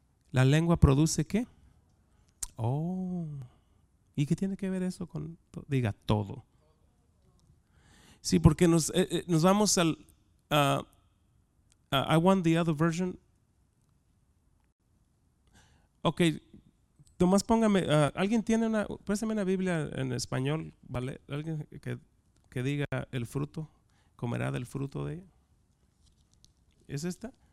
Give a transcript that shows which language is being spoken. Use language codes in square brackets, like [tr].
[es] ¿La lengua produce qué? ¿Y qué tiene que ver eso con diga todo? Sí, porque nos vamos al... [en] I want the other version. Ok. [es] Tomás, póngame, ¿alguien tiene una? Préstame una Biblia en español, ¿vale? Alguien que diga el fruto, comerá del fruto de ella. ¿Es esta?